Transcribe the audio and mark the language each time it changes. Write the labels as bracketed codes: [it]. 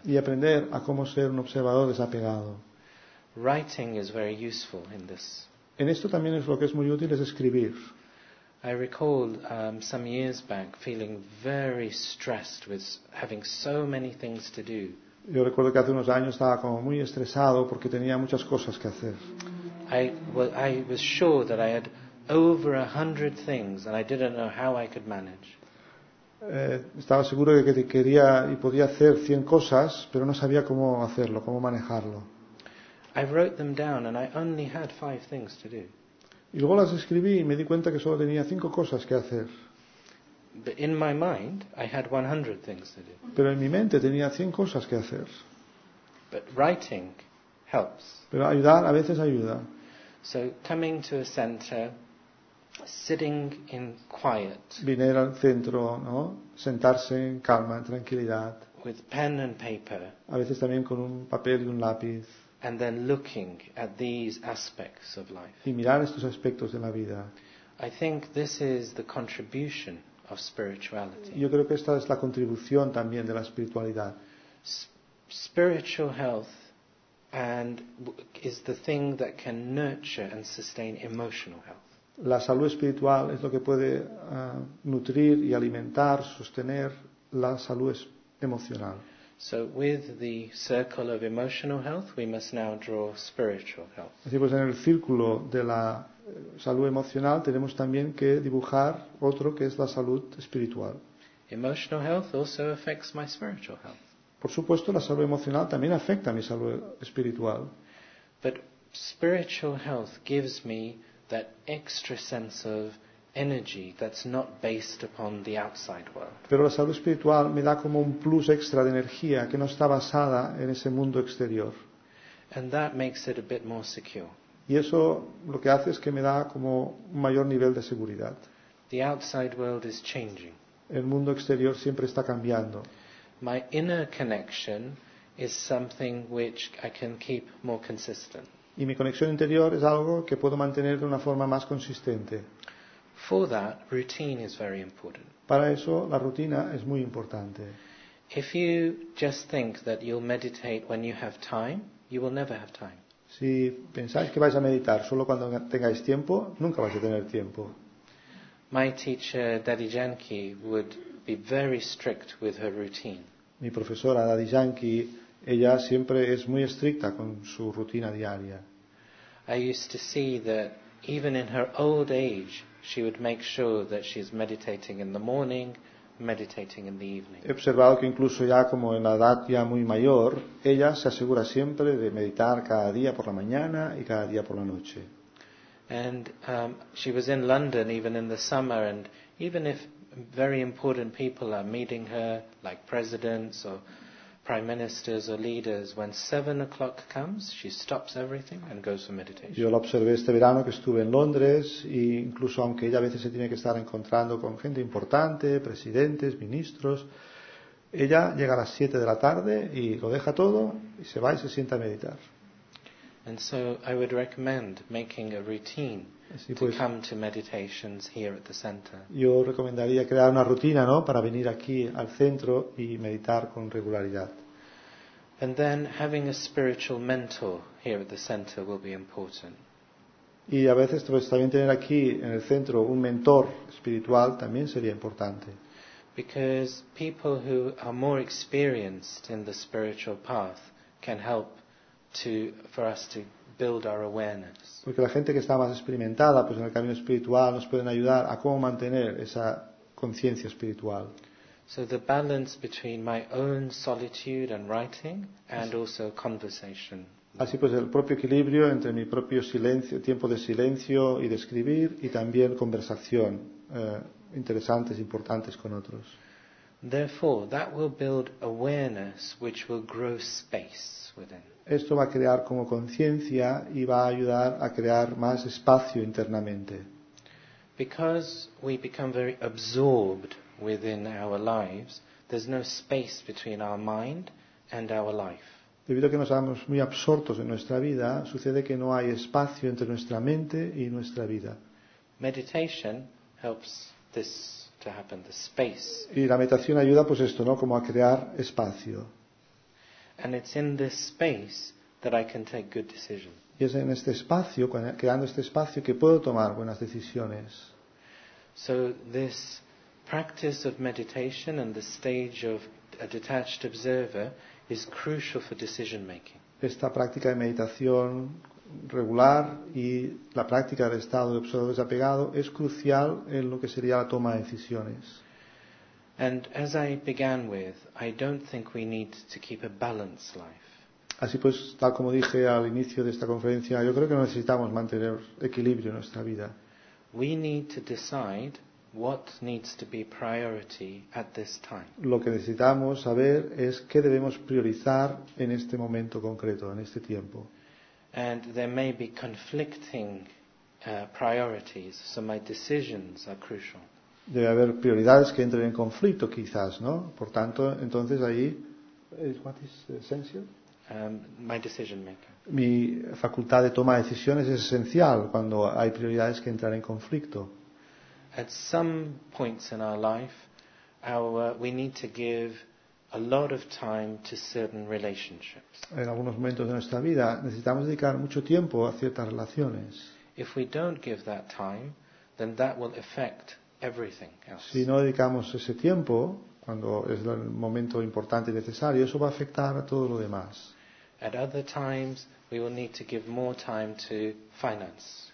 [es] Y aprender a cómo ser un observador desapegado. [en] Writing is very useful in this. [es] En esto también es lo que es muy útil, es escribir. [en] I recall some years back feeling very stressed with having so many things to do. [es] Yo recuerdo que hace unos años estaba como muy estresado porque tenía muchas cosas que hacer. [en] I was sure that I had over 100 things and I didn't know how I could manage. [es] Estaba seguro de que quería y podía hacer 100 cosas, pero no sabía cómo hacerlo, cómo manejarlo. [en] I wrote them down and I only had 5 things to do. [es] Y luego las escribí y me di cuenta que solo tenía 5 cosas que hacer. [en] But in my mind, I had 100 things to do. [es] Pero en mi mente tenía 100 cosas que hacer. [en] But writing helps. [es] Pero ayudar a veces ayuda. [en] So coming to a center, sitting in quiet. [es] Venir al centro, ¿no? Sentarse en calma, en tranquilidad. [en] With pen and paper. [es] A veces también con un papel y un lápiz. [en] And then looking at these aspects of life. [es] Y mirar estos aspectos de la vida. [en] I think this is the contribution of spirituality. [es] Yo creo que esta es la contribución también de la espiritualidad. [en] Spiritual health and is the thing that can nurture and sustain emotional health. [es] La salud espiritual es lo que puede nutrir y alimentar, sostener la salud emocional. [en] So with the circle of emotional health, we must now draw spiritual health. [es] Así pues, en el círculo de la salud emocional tenemos también que dibujar otro que es la salud espiritual. [en] Emotional health also affects my spiritual health. [es] Por supuesto, la salud emocional también afecta a mi salud espiritual. [en] But spiritual health gives me that extra sense of energy that's not based upon the outside world. [es] Pero la salud espiritual me da como un plus extra de energía que no está basada en ese mundo exterior. [en] And that makes it a bit more secure. [es] Y eso lo que hace es que me da como un mayor nivel de seguridad. [en] The outside world is changing. [es] El mundo exterior siempre está cambiando. [en] My inner connection is something which I can keep more consistent. [es] Y mi conexión interior es algo que puedo mantener de una forma más consistente. [en] For that, routine is very important. [es] Para eso, la rutina es muy importante. [en] If you just think that you'll meditate when you have time, you will never have time. [es] Si pensáis que vais a meditar solo cuando tengáis tiempo, nunca vais a tener tiempo. [en] My teacher, Daddy Janki, would be very strict with her routine. [es] Mi profesora, Daddy Janki, ella siempre es muy estricta con su rutina diaria. [en] I used to see that even in her old age, she would make sure that she's meditating in the morning, meditating in the evening. [es] He observado que incluso ya como en la edad ya muy mayor, ella se asegura siempre de meditar cada día por la mañana y cada día por la noche. [en] And she was in London even in the summer, and even if very important people are meeting her, like presidents or prime ministers or leaders, when 7 o'clock comes, she stops everything and goes for meditation. [es] Yo lo observé este verano que estuve en Londres, e incluso aunque ella a veces se tiene que estar encontrando con gente importante, presidentes, ministros, ella llega a las 7 de la tarde y lo deja todo y se va y se sienta a meditar. [en] And so I would recommend making a routine. [es] Así pues, [en] to come to meditations here at the center. [es] Yo recomendaría crear una rutina, ¿no?, para venir aquí al centro y meditar con regularidad. [en] And then having a spiritual mentor here at the center will be important. [es] Y a veces pues, también tener aquí en el centro un mentor espiritual también sería importante. [en] Because people who are more experienced in the spiritual path can help for us to build our awareness. [es] Porque la gente que está más experimentada, pues en el camino espiritual, nos pueden ayudar a cómo mantener esa conciencia espiritual. [en] So the balance between my own solitude and writing and also conversation. [es] Así pues, el propio equilibrio entre mi propio silencio, tiempo de silencio y de escribir, y también conversación interesantes, importantes con otros. [en] Therefore, that will build awareness which will grow space within. [es] Esto va a crear como conciencia y va a ayudar a crear más espacio internamente. [en] Because we become very absorbed within our lives, there's no space between our mind and our life. [es] debido a que nos hagamos muy absortos en nuestra vida, sucede que no hay espacio entre nuestra mente y nuestra vida. [en] Meditation helps this to happen, the space. [es] Y la meditación ayuda pues esto, ¿no? Como a crear espacio. [en] And it's in this space that I can take good decisions. [es] Y es en este espacio, creando este espacio, que puedo tomar buenas decisiones. [en] So this practice of meditation and the stage of a detached observer is crucial for decision making. [es] Esta práctica de meditación regular y la práctica del estado de observador desapegado es crucial en lo que sería la toma de decisiones. [en] And as I began with, I don't think we need to keep a balanced life. [es] Así pues, tal como dije al inicio de esta conferencia, yo creo que no necesitamos mantener equilibrio en nuestra vida. [en] We need to decide what needs to be priority at this time. [es] Lo que necesitamos saber es qué debemos priorizar en este momento concreto, en este tiempo. [en] And there may be conflicting priorities, so my decisions are crucial. [es] Debe haber prioridades que entren en conflicto, quizás, ¿no? Por tanto, entonces ahí, [en] what is essential? My decision maker. [es] Mi facultad de toma de decisiones es esencial cuando hay prioridades que entran en conflicto. [en] At some points in our life, we need to give a lot of time to certain relationships. [es] En algunos momentos de nuestra vida necesitamos dedicar mucho tiempo a ciertas relaciones. [en] If we don't give that time, then that will affect everything else. [es] Si no dedicamos ese tiempo, cuando es el momento importante y necesario, eso va a afectar a todo lo demás. [en] At other times, we will need to give more time to finance.